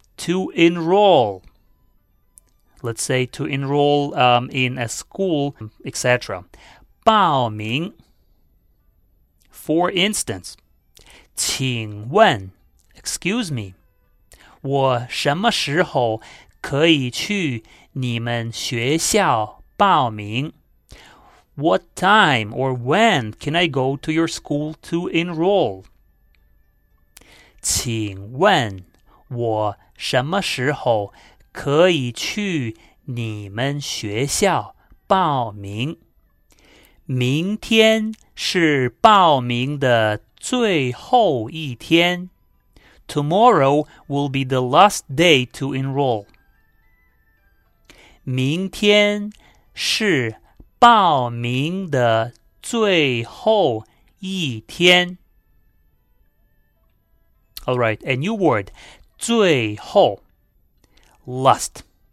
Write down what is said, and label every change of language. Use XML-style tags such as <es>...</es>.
<en>to enroll. Let's say to enroll in a school, etc.</en> <zh>报名</zh> <en>For instance,</en> <zh>请问</zh> <en>excuse me,</en> <zh>我什么时候可以去你们学校报名?</zh> <en>What time or when can I go to your school to enroll?</en> <zh>请问我什么时候可以去你们学校报名? 明天是报名的最后一天。</zh> <en>Tomorrow will be the last day to enroll.</en> <zh>明天是报名的最后一天。</zh> <en>All right, a new word.</en> <zh>最后</zh> <en>Last.</en>